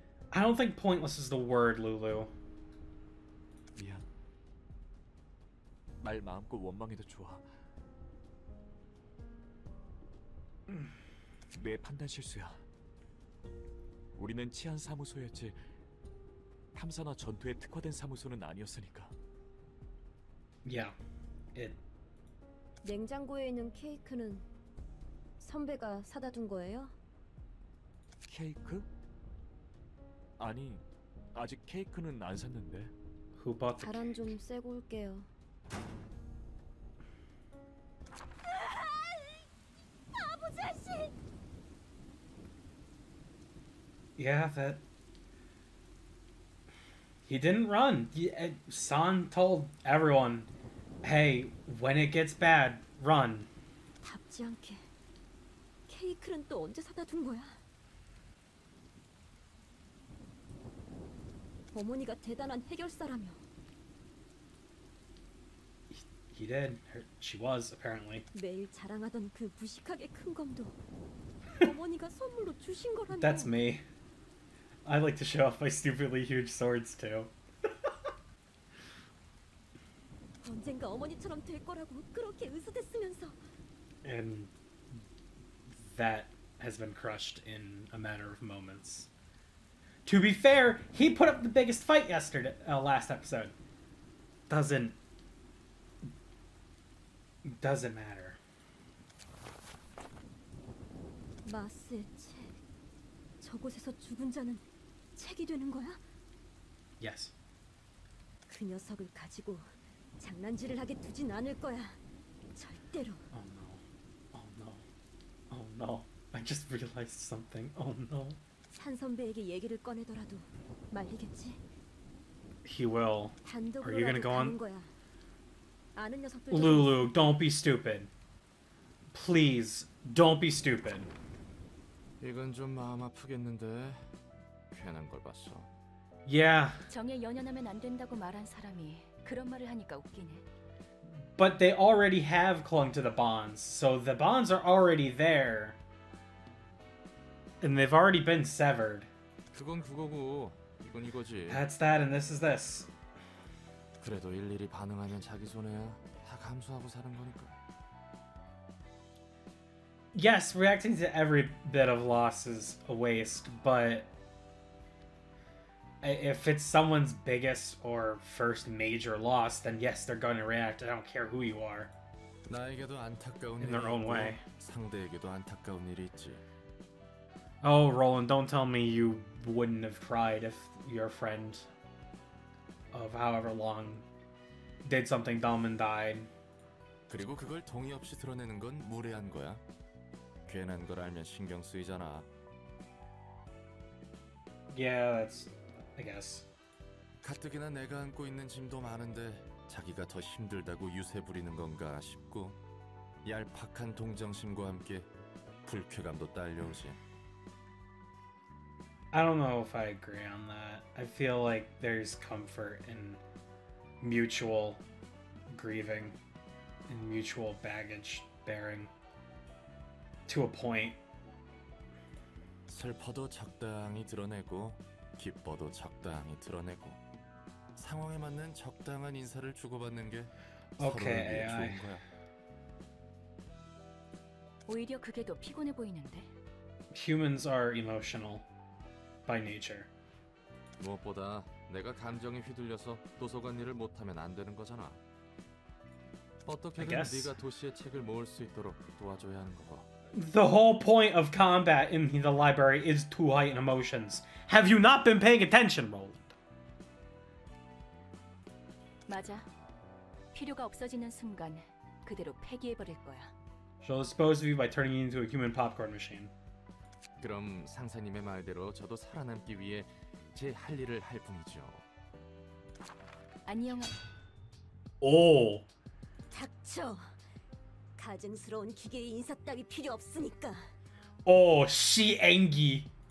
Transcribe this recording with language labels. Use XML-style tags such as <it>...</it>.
<en>I don't think pointless is the word, Lulu.</en> <ko>미안. 말 마음껏 원망해도 좋아. 내 판단 실수야. 우리는 치안 사무소였지 탐사나 전투에 특화된 사무소는 아니었으니까.</ko> <en>Yeah. It.</en> <ko>냉장고에 있는 케이크는 선배가 사다 둔 거예요? 케이크? 아니, 아직 케이크는 안 샀는데.</ko> <en>Who bought the cake?</en> <ko>바람 좀 쐬고 올게요. 바보 자식!</ko> <en>Yeah, that... He didn't run. San told everyone, hey, when it gets bad, run.</en> <ko>답지 않게. 케이크는 또 언제 사다 둔 거야? 어머니가 대단한 해결사라며.</ko> <en>He did. Her, she was apparently.</en> <ko>매일 자랑하던 그 무식하게 큰 검도 어머니가 선물로 주신 거라며.</ko> <en>That's me. I like to show off my stupidly huge swords too.</en> <ko>언젠가 어머니처럼 될 거라고 그렇게 으스댔으면서.</ko> <en>And that has been crushed in a matter of moments. To be fair, he put up the biggest fight last episode. Doesn't matter.</en> <ko>마스의 책. 저곳에서 죽은 자는 책이 되는 거야?</ko> <en>Yes.</en> <ko>그 녀석을 가지고 장난질을 하게 두진 않을 거야. 절대로.</ko> <en>Oh no. Oh no. Oh no. I just realized something. Oh no.</en> <ko>산 선배에게 얘기를 꺼내더라도 말리겠지?</ko> <en>He will. Are you gonna go on?</en> <ko>거야. 아는 녀석들.</ko> <en>Lulu, don't be stupid. Please, don't be stupid.</en> <ko>이건 좀 마음 아프겠는데. 괜한 걸 봤어.</ko> <en>Yeah.</en> <ko>정에 연연하면 안 된다고 말한 사람이 그런 말을 하니까 웃기네.</ko> <en>But they already have clung to the bonds, so the bonds are already there. And they've already been severed.</en> <ko>그건 그거고, 이건 이거지.</ko> <en>That's that, and this is this.</en> <ko>그래도 일일이 반응하면 자기 손해야. 다 감수하고 사는 거니까.</ko> <en>Yes, reacting to every bit of loss is a waste, but if it's someone's biggest or first major loss, then yes, they're going to react. I don't care who you are.</en> <ko>나에게도 안타까운</ko> <en>in their own</en> <ko>있고,</ko> <en>way.</en> <ko>상대에게도 안타까운 일이 있지.</ko> <en>Oh, Roland, don't tell me you wouldn't have cried if your friend of however long did something dumb and died.</en> <ko>그리고 그걸 동의 없이 드러내는 건 무례한 거야. 괜한 걸 알면 신경 쓰이잖아.</ko> <en>Yeah, that's... I guess.</en> <ko>가뜩이나 내가 안고 있는 짐도 많은데 자기가 더 힘들다고 유세 부리는 건가 싶고 얄팍한 동정심과 함께 불쾌감도 딸려오지.</ko> <en>I don't know if I agree on that. I feel like there's comfort in mutual grieving and mutual baggage bearing to a point.</en> <ko>슬퍼도 적당히 드러내고 기뻐도 적당히 드러내고 상황에 맞는 적당한 인사를 주고받는 게 서로를 위해 좋은 거야. 오히려 그게 더 피곤해 보이는데.</ko> <en>Humans are emotional. by nature.</en> <ko>무엇보다 내가 감정에 휘둘려서 도서관 일을 못하면 안 되는 거잖아. 어떻게든 네가 도시의 책을 모을 수 있도록 도와줘야 하는 거고.</ko> <en>The whole point of combat in the library is to heighten emotions. Have you not been paying attention, Roland?</en> <ko>맞아. 필요가 없어지는 순간 그대로 폐기해 버릴 거야.</ko> <en>She'll dispose of you by turning you into a human popcorn machine.</en> <ko>그럼 상사님의 말대로 저도 살아남기 위해 제 할 일을 할 뿐이죠. 안녕. 오. 닥쳐. 가증스러운 기계의 인사답이 필요 없으니까. 오, 시앵기.</ko>